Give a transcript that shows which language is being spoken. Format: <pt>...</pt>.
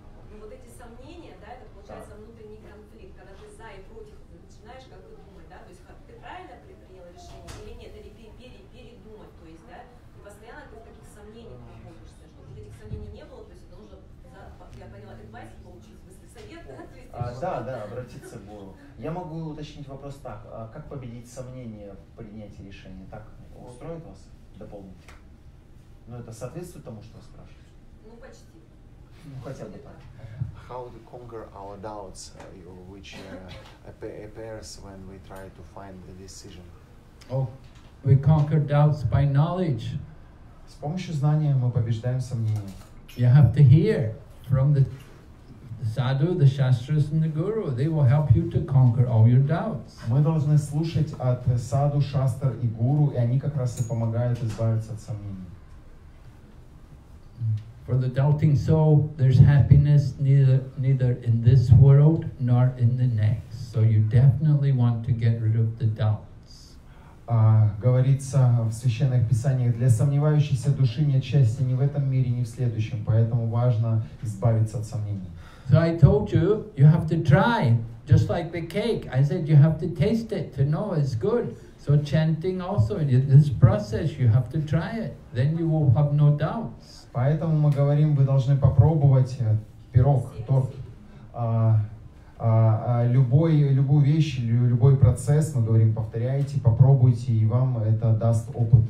<ru>Ну вот эти сомнения, да, это получается внутренний конфликт, когда ты за и против, ты начинаешь как бы думать, да, то есть как, ты правильно принял решение или нет, или передумать, то есть, да, и постоянно ты в таких сомнениях находишься, чтобы этих сомнений не было, то есть это нужно, да, я поняла, адвайс получить, в смысле совет, да, то есть... Да, обратиться к гуру. Я могу уточнить вопрос так, а как победить сомнения в принятии решения, так устроит вас? Дополнить. Но это соответствует тому, что вы спрашиваете? Ну, почти. Ну, хотя бы так.</ru> <en>How to conquer our doubts, which appears when we try to find the decision? Oh, we conquer doubts by knowledge.</en> <ru>С помощью знания мы побеждаем сомнения.</ru> <en>You have to hear from the sadhu, the shastras and the guru. They will help you to conquer all your doubts.</en> <ru>Мы должны слушать от саду, шастр и гуру, и они как раз и помогают избавиться от сомнений.</ru> <en>For the doubting soul, there's happiness neither in this world nor in the next. So you definitely want to get rid of the doubts.</en> <ru>Говорится в священных писаниях, для сомневающейся души нет счастья ни в этом мире, ни в следующем, поэтому важно избавиться от сомнений.</ru> <en>So I told you, you have to try, just like the cake. I said you have to taste it to know it's good. So chanting also, this process, you have to try it. Then you will have no doubts.</en> <ru>Поэтому мы говорим, вы должны попробовать пирог, торт. Любую вещь, любой процесс, мы говорим, повторяйте, попробуйте, и вам это даст опыт.</ru>